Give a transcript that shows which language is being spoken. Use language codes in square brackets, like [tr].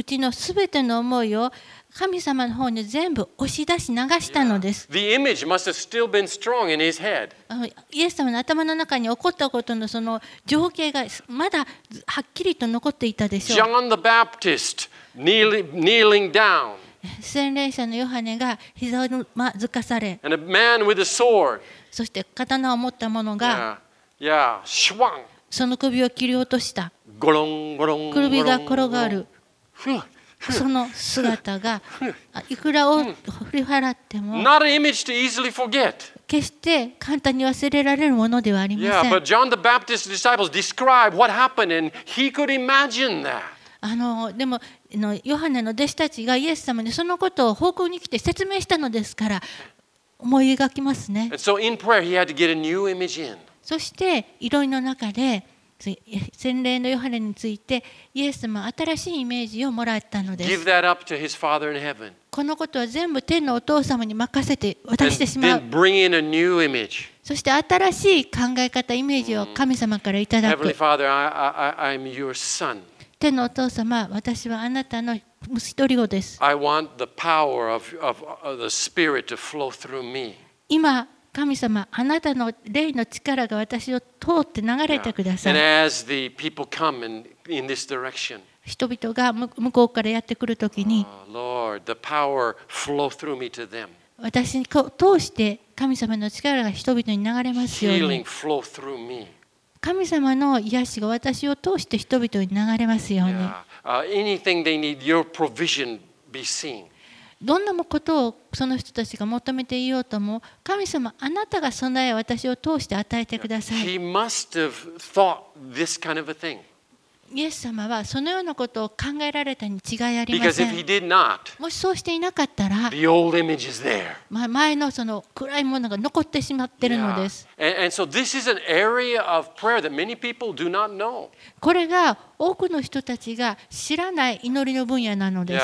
[ja] 全ての思いを神様の方に全部押し出し流したのです。 [en] Yeah. The image must have still been strong in his head. [ja] イエス様の頭の中に起こったことのその情景がまだはっきりと残っていたでしょう。 [en] John the Baptist kneeling down. [ja] 洗礼者のヨハネが膝をまずかされ。 [en] And a man with a sword. [ja] そして刀を持った者が、 [en] Yeah. [ja] その首を切り落とした。ゴロンゴロン。首が転がる。その姿がいくらを振り払っても [en] Not an image to easily forget. [ja] 決して簡単に忘れられるものではありません。 [en] Yeah, but John the Baptist's disciples described what happened and he could imagine that. [ja] でもヨハネの弟子たちがイエス様にそのことを報告に来て説明したのですから思い描きますね。 [en] And so in prayer he had to get a new image in. [ja] そして祈りの中で洗礼のヨハネについてイエス様は新しいイメージをもらったのです。 [en] Give that up to his Father in heaven. [ja] このことは全部天のお父様に任せて渡してしまう。 [en] Then bring in a new image. [ja] そして新しい考え方イメージを神様からいただく。 [en] Heavenly Father, I'm your son. [ja] 天のお父様、私はあなたの息子です。 [en] I want the power of the Spirit to flow through me. [ja] 今神様、あなたの霊の力が私を通って流れてください。 [en] Yeah. And as the people come in this direction, [ja] 人々が向こうからやってくるときに、 [en] Lord, the power flow through me to them. [ja] 私に通して神様の力が人々に流れますように。 [en] Healing flow through me. [ja] 神様の癒しが私を通して人々に流れますように。 [en] Yeah. Anything they need, your provision be seen. [ja] どんなことをその人たちが求めていようとも、神様、あなたが備えを私を通して与えてください。 [en] He must have thought this kind of a thing. [ja] イエス様はそのようなことを考えられたに違いありません。 [en] Because if he did not, [ja] もしそうしていなかったら、 [en] the old image is there. [ja] 前のその暗いものが残ってしまっているのです。 [en] Yeah. And so this is an area of prayer that many people do not know. [ja] これが多くの人たちが知らない祈りの分野なのです。